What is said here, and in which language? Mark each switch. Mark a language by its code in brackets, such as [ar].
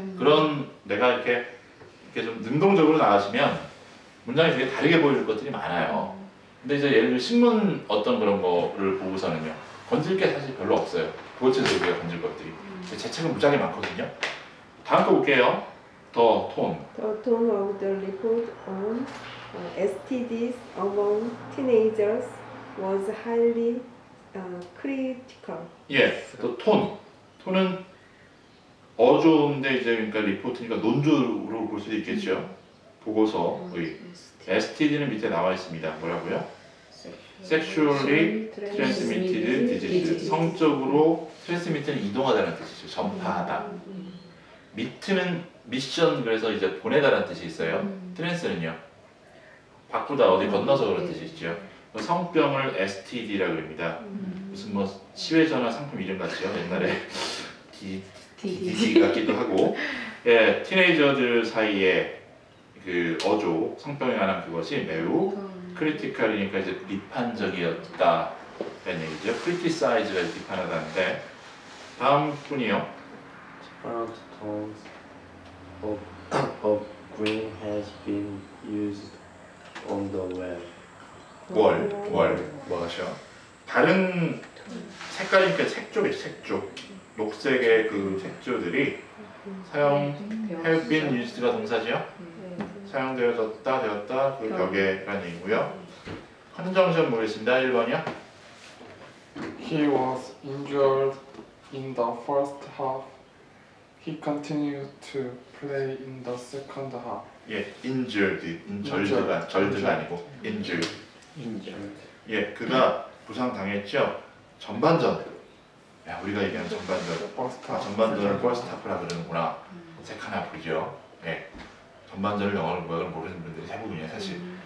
[ko] 그런 내가 이렇게 좀 능동적으로 나가시면 문장이 되게 다르게 보여줄 것들이 많아요. 근데 이제 예를 들면 신문 어떤 그런 거를 보고서는요. 건질 게 사실 별로 없어요. 그것에서 우리가 건질 것들이. 제 책은 문장이 많거든요. 다음 거 볼게요. The tone. [en] The tone of the report on STDs among teenagers was highly critical. Yes. The tone. [ko] 톤은 어조인데 이제 그러니까 리포트니까 논조로 볼 수도 있겠죠. 보고서의 STD는 밑에 나와 있습니다. 뭐라고요? [en] Sexually transmitted disease. [ko] 성적으로 transmitted는 이동하다는 뜻이죠. 전파하다. 미트는 미션 그래서 이제 보내다라는 뜻이 있어요. 트랜스는요 바꾸다 어디 건너서 그런 뜻이 있죠. 성병을 STD라고 합니다. 무슨 뭐 시외전화 상품 이름 같죠. 옛날에 DDD 같기도 하고 예 티네이저들 사이에 그 어조 성병에 관한 그것이 매우 크리티컬이니까 이제 비판적이었다라는 얘기죠. 크리티사이즈가 비판하다는데 다음 분이요. [en] Tones of green has been used on the web. [ko] 월 뭐죠? 다른 색깔이니까 색조의 색조, 녹색의 그 색조들이 사용 have been used가 동사죠? 사용되어졌다 되었다 그 벽에라는 얘기고요. 한정점 보겠습니다. 1번이요. [en] He was injured in the first half. He continued to play in the second half. 예, injured. [ko] 절드가 아니고 injured. [en] injured. [ko] 예, 그가 부상당했죠. 전반전. 야, 우리가 얘기한 전반전. 전반전을 first half라 그러는구나. 책 하나 보이죠. 예, 전반전을 영어로 뭐라고 모르는 분들이 대부분이에요, 사실.